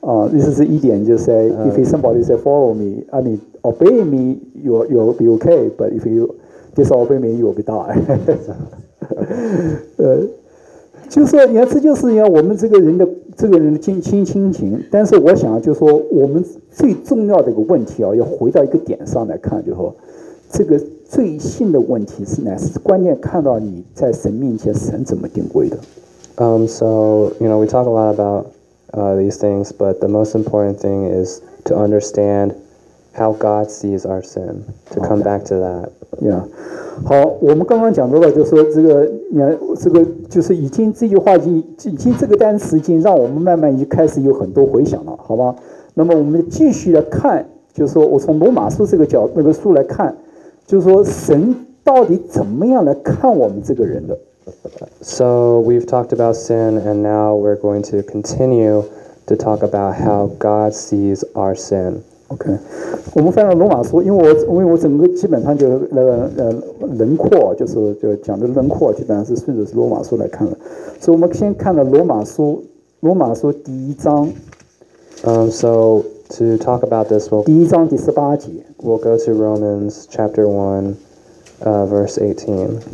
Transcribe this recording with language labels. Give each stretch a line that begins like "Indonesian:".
English: This is
Chinese: 一点，就是
English: if somebody say follow me, I mean obey me, you'll be okay, but if you disobey me, you'll be die.
Chinese: 就是说你看这就是我们这个人的亲情，但是我想就是说我们最重要的一个问题要回到一个点上来看，就是说这个罪性的问题是关键，看到你在神面前神怎么定规的。
English: So, you know, we talk a lot aboutthese things, but the most important thing is to understand how God sees our sin, to come back to that. Yeah.
Chinese: 好，我们刚刚讲到了，就是说这个就是已经这个单词已经让我们慢慢一开始有很多回想了，好吧？那么我们继续来看，就是说我从罗马书这个角那个书来看，就是说神到底怎么样来看我们这个人的。
English: So we've talked about sin, and now we're going to continue to talk about how God sees our sin.
Chinese: Okay, 我们翻到罗马书，因为我整个基本上就那个轮廓，就讲的轮廓，基本上是顺着罗马书来看了。所以我们先看了罗马书第一章。
English: So to talk about this, we'll
Chinese: 第一章第十八节。
English: We'll go to Romans chapter 1, verse 18.